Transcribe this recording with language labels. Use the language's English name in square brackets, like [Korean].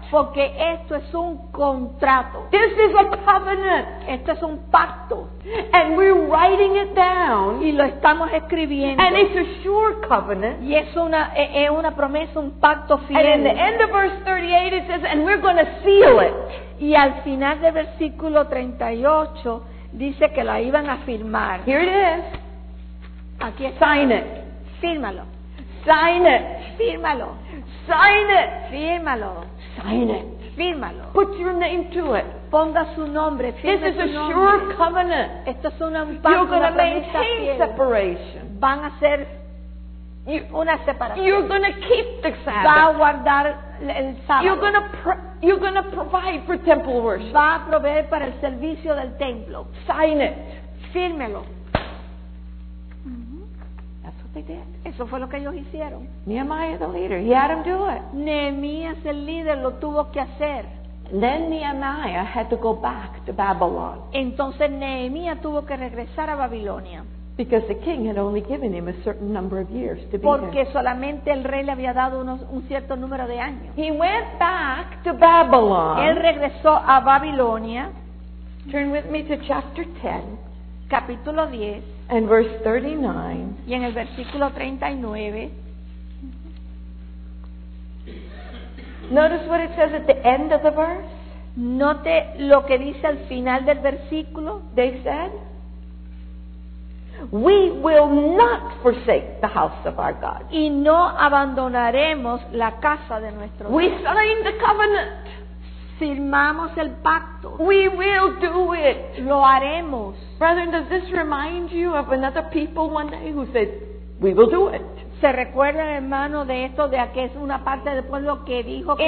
[Spanish] Porque esto es un contrato. [English] This is a covenant. [Spanish] Esto es un pacto. [English] And we're writing it down. [Spanish] Y lo estamos escribiendo. [English] And it's a sure covenant. [Spanish] Y es una promesa, un pacto fiel. [English] And in the end of verse 38 it says, and we're going to seal it. [Spanish] Y al final del versículo 38 dice que la iban a firmar. [English] Here it is. [Spanish] Aquí está. [English] Sign it. [Spanish] Fírmalo. [English] Sign it. [Spanish] Fírmalo. [English] Sign it. [Spanish] Fírmalo. [English] Sign it. [Spanish] Fírmalo. [English] Put your name to it. [Spanish] Ponga su nombre. [English] This is a sure covenant. [Spanish] Esto es un pacto. [English] You're going to maintain separation. [Spanish] Van a ser una separación. [English] You're going to keep the Sabbath. [Spanish] Va a guardar el sábado. [English] You're going to provide for temple worship. [Spanish] Va a proveer para el servicio del templo. [English] Sign it. [Spanish] Fírmelo. [English] They did. [Spanish] Eso fue lo que ellos hicieron. [English] Nehemiah the leader, he had him do it. [Spanish] Nehemías el líder lo tuvo que hacer. [English] Then Nehemiah had to go back to Babylon. [Spanish] Entonces Nehemías tuvo que regresar a Babilonia. [English] Because the king had only given him a certain number of years to be [Spanish] porque Porque solamente el rey le había dado un cierto número de años. [English] He went back to Babylon. [Spanish] Él regresó a Babilonia. [English] Turn with me to chapter 10. [Spanish] Capítulo 10. [English] And verse 39. [Spanish] Y en el versículo 39. [English] Notice what it says at the end of the verse. [Spanish] Note lo que dice al final del versículo. [English] They said, we will not forsake the house of our God. [Spanish] Y no abandonaremos la casa de nuestro Dios. [English] We signed the covenant. [Spanish] Firmamos el pacto. [English] We will do it. [Spanish] Lo haremos. [English] Brethren, does this remind you of another people one day who said, we will do it? [Spanish] ¿Se recuerda, hermano, de esto, de aquí es una parte del pueblo que dijo que